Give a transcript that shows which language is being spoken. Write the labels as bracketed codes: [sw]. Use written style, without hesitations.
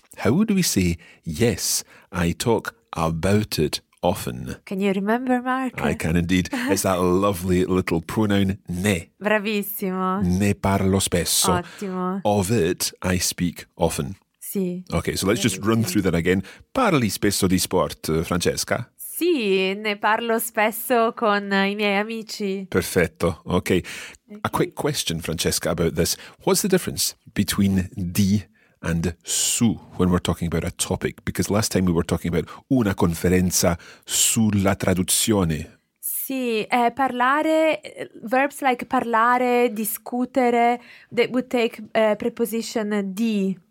[en] How would we say, yes, I talk about it often? Can you remember, Mark? I can indeed. It's that lovely little pronoun, ne. [it] Bravissimo. Ne parlo spesso. Ottimo. [en] Of it, I speak often. [it] Sì. [en] Okay, so let's just run through that again. [it] Parli spesso di sport, Francesca? Sì, ne parlo spesso con I miei amici. [en] Perfetto. Okay. A quick question, Francesca, about this. What's the difference between di and su when we're talking about a topic? Because last time we were talking about una conferenza sulla traduzione. Sì, parlare, verbs like parlare, discutere, that would take preposition di.